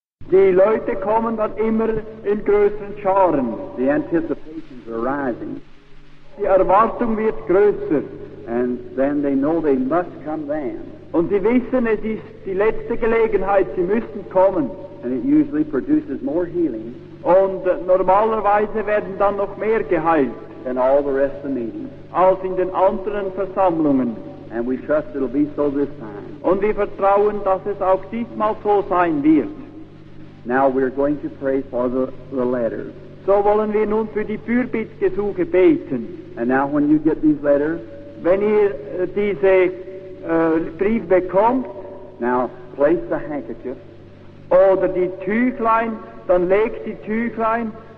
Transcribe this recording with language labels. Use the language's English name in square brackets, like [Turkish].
[German] Die Leute kommen dann immer in größeren Scharen. [English] The anticipations are rising. [German] Die Erwartung wird größer. [English] And then they know they must come then. [German] Und sie wissen, es ist die letzte Gelegenheit, sie müssen kommen. [English] And it usually produces more healing. [German] Und normalerweise werden dann noch mehr geheilt. [English] Than all the rest of the meetings. [German] Als in den anderen Versammlungen. [English] And we trust it'll be so this time. [German] Und wir vertrauen, dass es auch diesmal so sein wird. [English] Now we're going to pray for the letters. [German] So wollen wir nun für die Fürbittgesuche beten. [English] And now when you get these letters. [German] Wenn ihr diese Brief bekommt, [English] now place the handkerchief, [German] oder die Tüchlein, dann leg die Tüchlein